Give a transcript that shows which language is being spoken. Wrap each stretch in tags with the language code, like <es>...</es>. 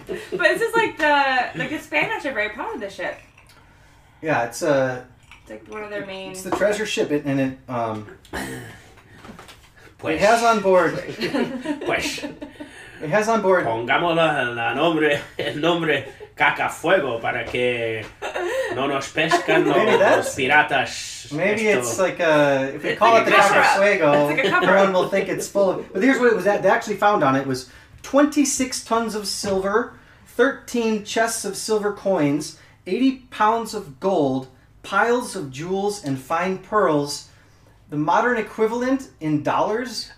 <en>But this is like the Spanish are very proud of the ship. Yeah, it's a... It's like one of their main... It's the treasure ship, and it, it has on board...</en> <es>Pues.</es> <en>It has on board...</en> <es>Pongámoslo el nombre Caca Fuego para que no nos pescan los piratas.</es> <en>Maybe</en> <es>esto.</es> <en>It's like a... If we call like it the Caca Fuego, like everyone will think it's full of... But here's what it was at. They actually found on it. It was 26 tons of silver, 13 chests of silver coins, 80 pounds of gold... piles of jewels and fine pearls the modern equivalent in dollars</en>